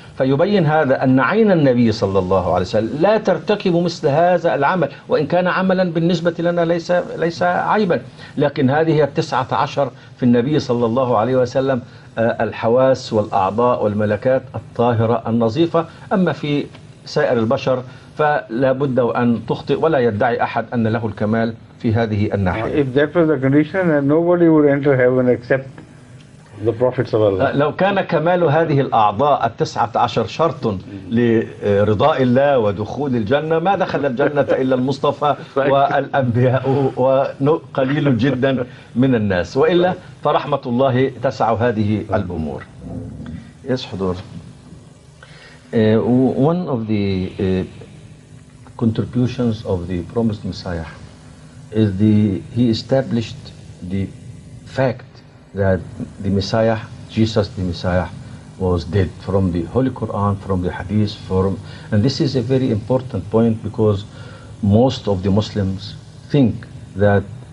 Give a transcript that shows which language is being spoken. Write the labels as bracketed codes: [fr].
[ar] فيبين هذا أن عين النبي صلى الله عليه وسلم لا ترتكب مثل هذا العمل، وإن كان عملا بالنسبة لنا ليس عيبا، لكن هذه التسعة عشر في النبي صلى الله عليه وسلم الحواس والأعضاء والملكات الطاهرة النظيفة. أما في سائر البشر فلا بد أن تخطئ، ولا يدعي أحد أن له الكمال في هذه الناحية. [en] If that was the condition, nobody would enter heaven except the prophets of Allah. [ar] لو كان كمال هذه الأعضاء التسعة عشر شرط لرضاء الله ودخول الجنة، ما دخل الجنة إلا المصطفى والأنبياء وقليل جدا من الناس، وإلا فرحمة الله تسع هذه الأمور. [en] Yes, حضور. One of the contributions of the promised Messiah is he established the fact that the Messiah, Jesus the Messiah, was dead, from the Holy Quran, from the Hadith, and this is a very important point, because most of the Muslims think that